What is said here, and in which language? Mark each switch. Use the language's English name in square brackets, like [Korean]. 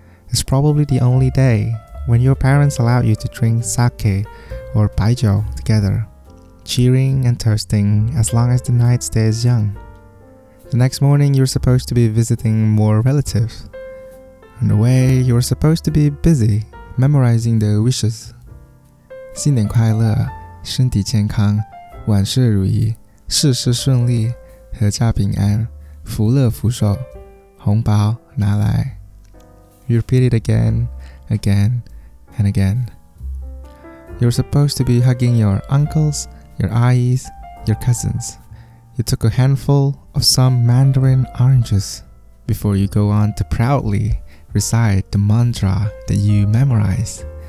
[English] It's probably the only day when your parents allow you to drink sake or baijiu together, cheering and toasting as long as the night stays young. The next morning, you're supposed to be visiting more relatives. On the way, you're supposed to be busy memorizing their wishes. [Chinese] 新年快乐，身体健康，万事如意，事事顺利，阖家平安，福乐福寿，红包拿来。 [English] You repeat it again, again, and again. You're supposed to be hugging your uncles, your aunties, your cousins. You took a handful of some mandarin oranges before you go on to proudly recite the mantra that you memorize.